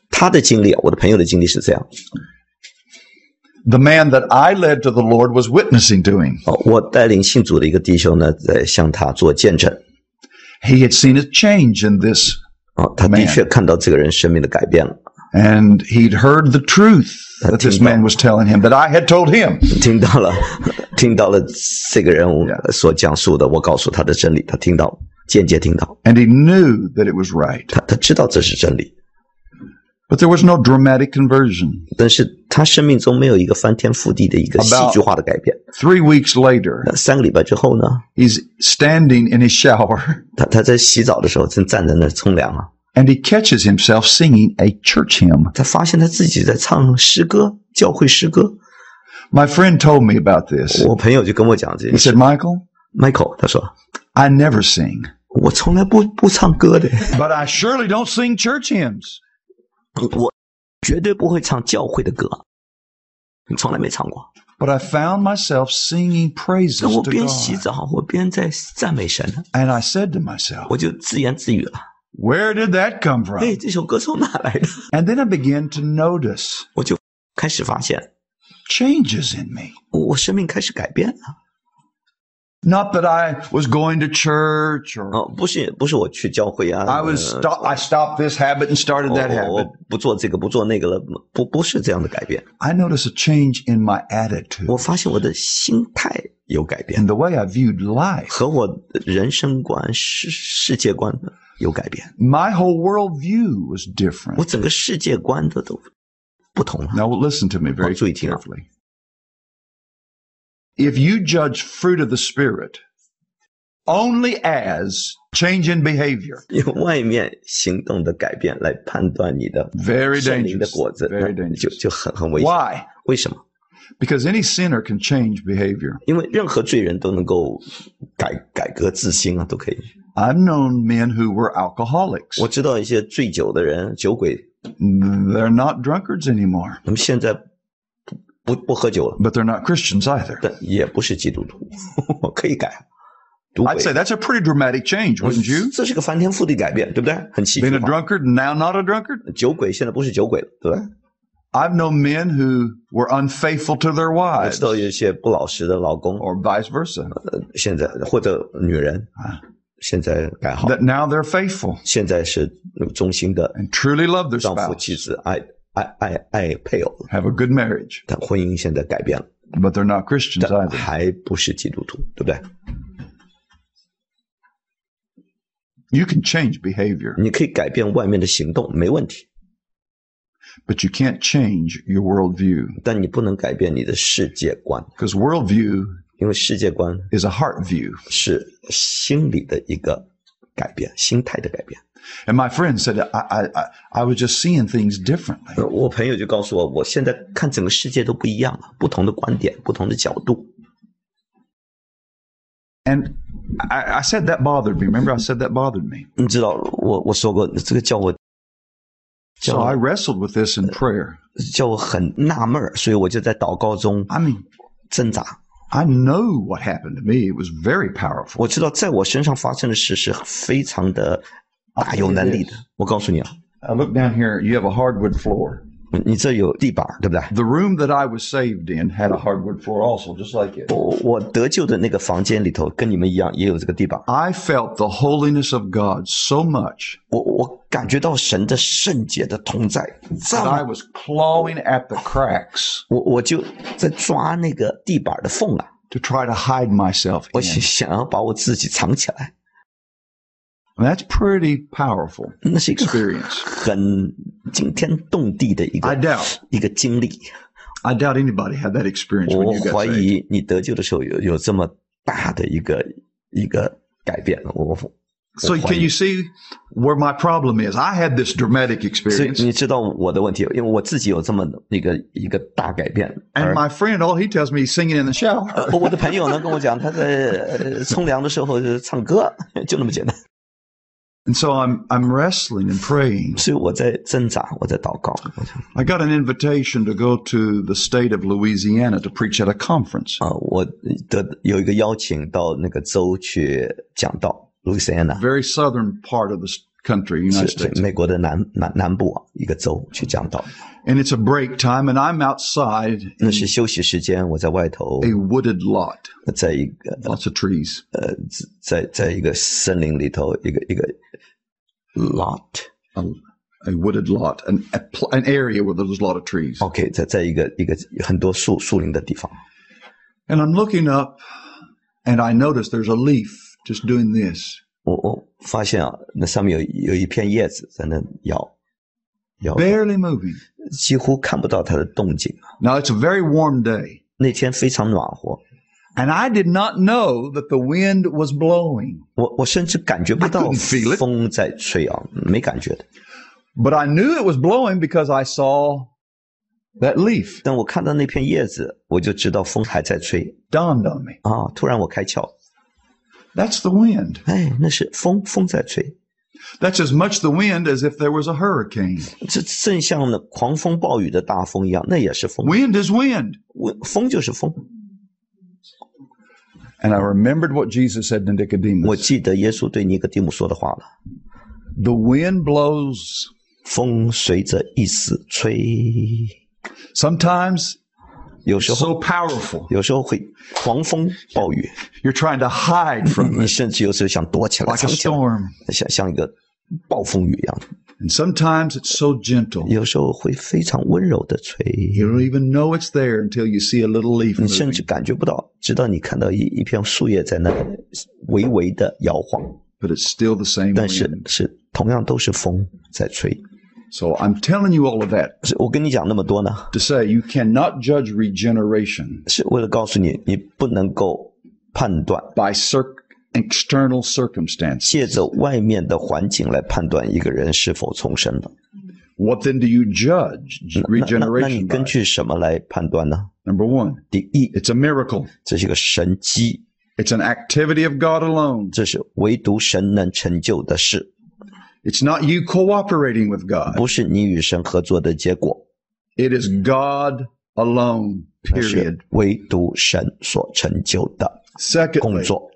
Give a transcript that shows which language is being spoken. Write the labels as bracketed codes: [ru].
[zh] 他的经历，我的朋友的经历是这样。 [en] The man that I led to the Lord was witnessing to him. [zh] 我带领信主的一个弟兄呢，在向他做见证。 [en] He had seen a change in this man. [zh] 他的确看到这个人生命的改变了。 [en] And he'd heard the truth that this man was telling him, that I had told him. [zh] 听到了这个人所讲述的，我告诉他的真理，他听到，间接听到。 [en] And he knew that it was right. [zh] 他知道这是真理。 [en] But there was no dramatic conversion. [zh] 但是他生命中没有一个翻天覆地的一个戏剧化的改变。 [en] About 3 weeks later, [zh] 三个礼拜之后呢 [en] he's standing in his shower. [zh] 他在洗澡的时候正站在那冲凉啊。 [en] And he catches himself singing a church hymn. [zh] 他发现他自己在唱诗歌，教会诗歌。 [en] My friend told me about this. [zh] 我朋友就跟我讲这件事。 [en] He said, Michael? [zh] Michael, 他说。 [en] I never sing. [zh] 我从来不唱歌的。 [en] But I surely don't sing church hymns. [zh] 我绝对不会唱教会的歌。从来没唱过。 [en] But I found myself singing praises to God. [zh] 我边洗澡，我边在赞美神。 [en] And I said to myself. [zh] 我就自言自语了。 [en] Where did that come from? [zh] 哎，这首歌从哪来的？ [en] And then I began to notice. [zh] 我就开始发现。 [en] Changes in me. [zh] 我生命开始改变了。 [en] Not that I was going to church or. [zh] 不是我去教会啊。 [en] I stopped this habit and started that habit. [zh] 我不做这个不做那个了不是这样的改变。 [en] I noticed a change in my attitude. [zh] 我发现我的心态有改变。 [en] And the way I viewed life. [zh] 和我人生观世界观的。有改变。 [en] My whole worldview was different. [zh] 我整个世界观都不同了。 [en] Now listen to me very carefully. If you judge fruit of the Spirit only as change in behavior, [zh] 用外面行动的改变来判断你的圣灵的果子， [en] very dangerous. [zh] 就很危险。 [en] Why? [zh] 为什么？ [en] Because any sinner can change behavior. [zh] 因为任何罪人都能够改革自新啊，都可以。 [en] I've known men who were alcoholics. [zh] 我知道一些醉酒的人，酒鬼。 [en] They're not drunkards anymore. [zh] 他们现在不喝酒了。 [en] But they're not Christians either. [zh] 但也不是基督徒，可以改。 [en] I'd say that's a pretty dramatic change, wouldn't you? [zh] 这是个翻天覆地改变，对不对？很奇。 [en] Been a drunkard, now not a drunkard. [zh] 酒鬼现在不是酒鬼了，对吧？ [en] I've known men who were unfaithful to their wives. [zh] 我知道有些不老实的老公。 [en] Or vice versa. [zh] 现在或者女人现在改好。 [en] That now they're faithful. [zh] 现在是忠心的。 [en] And truly love their spouse. [zh] 丈夫妻子爱配偶。 [en] Have a good marriage. [zh] 但婚姻现在改变了。 [en] But they're not Christians either. [zh] 还不是基督徒，对不对？ [en] You can change behavior. [zh] 你可以改变外面的行动，没问题。 [en] But you can't change your worldview. [zh] 但你不能改变你的世界观。 [en] Because worldview, [zh] 因为世界观 [en] is a heart view, [zh] 是心里的一个改变，心态的改变。 [en] And my friend said, I was just seeing things differently. [zh] 我朋友就告诉我，我现在看整个世界都不一样了，不同的观点，不同的角度。 [en] And I said that bothered me. Remember, I said that bothered me. [zh] 你知道，我说过这个叫我。 [en] So I wrestled with this in prayer. [zh] 就很纳闷，所以我就在祷告中挣扎。 [en] I know what happened to me. It was very powerful. [zh] 我知道在我身上发生的事是非常的大有能力的。我告诉你啊。 [en] I look down here. You have a hardwood floor. [zh] 你这有地板，对不对？ [en] The room that I was saved in had a hardwood floor also, just like it. [zh] 我得救的那个房间里头跟你们一样，也有这个地板。 [en] I felt the holiness of God so much. [zh] 我感觉到神的圣洁的同在。 [en] That I was clawing at the cracks. [zh] 我就在抓那个地板的缝啊。 [en] To try to hide myself in. [zh] 我想要把我自己藏起来。 [en] That's pretty powerful experience. [zh] 那是一个很惊天动地的一个经历。 [en] I doubt anybody had that experience when you got saved. [zh] 我怀疑你得救的时候有这么大的一个改变。 [en] So can you see where my problem is? I had this dramatic experience. [zh] 所以你知道我的问题，因为我自己有这么一个大改变。 [en] And my friend, all he tells me, singing in the shower. [zh] 我的朋友呢跟我讲，他在冲凉的时候唱歌，就那么简单。 [en] And so I'm wrestling and praying. [zh] 所以我在挣扎，我在祷告。 [en] I got an invitation to go to the state of Louisiana to preach at a conference. [zh] 我有一个邀请到那个州去讲道。 [en] Louisiana, very southern part of the country, United States. [zh] 美国的南部啊，一个州去讲道。 [en] And it's a break time, and I'm outside. [zh] 那是休息时间，我在外头。 [en] A wooded lot. [zh] 在一个 [en] lots of trees. [zh] 在一个森林里头，一个 lot. [en] A wooded lot, an area where there's a lot of trees. [zh] Okay, 在一个很多树林的地方。 [en] And I'm looking up, and I notice there's a leaf. Just doing this. [zh] 我发现啊，那上面有一片叶子在那摇 [en] barely moving. [zh] 几乎看不到它的动静。 [en] Now it's a very warm day. [zh] 那天非常暖和。 [en] And I did not know that the wind was blowing. [zh] 我甚至感觉不到风在吹啊，没感觉的。 [en] But I knew it was blowing because I saw that leaf. [zh] 但我看到那片叶子，我就知道风还在吹。 [en] Dawned on me. [zh] 啊，突然我开窍。 [en] That's the wind. [zh] 哎，那是风在吹。 [en] That's as much the wind as if there was a hurricane. [zh] 这正像那狂风暴雨的大风一样，那也是风。 [en] Wind is wind. [zh] 风就是风。 [en] And I remembered what Jesus said to Nicodemus. [zh] 我记得耶稣对尼哥底母说的话了。 [en] The wind blows. [zh] 风随着意思吹。 [en] Sometimes. [zh] 有时候 [en] so powerful. [zh] 有时候会狂风暴雨。 [en] You're trying to hide from it. [zh] 你甚至有时候想躲起来。 [en] Like a storm. [zh] 像一个暴风雨一样。 [en] And sometimes it's so gentle. [zh] 有时候会非常温柔的吹。 [en] You don't even know it's there until you see a little leaf. [zh] 你甚至感觉不到，直到你看到一片树叶在那微微的摇晃。 [en] But it's still the same wind. [zh] 但是同样都是风在吹。 [en] So I'm telling you all of that. [zh] 是我跟你讲那么多呢。 [en] To say you cannot judge regeneration. [zh] 是为了告诉你，你不能够判断。 [en] By external circumstances. [zh] 借着外面的环境来判断一个人是否重生了。 [en] What then do you judge regeneration? [zh] 那你根据什么来判断呢？ [en] Number one. [zh] 第一。 [en] It's a miracle. [zh] 这是一个神迹。 [en] It's an activity of God alone. [zh] 这是唯独神能成就的事。 [en] It's not you cooperating with God. [zh] 不是你与神合作的结果。 [en] It is God alone, period. [zh] 那是唯独神所成就的工作。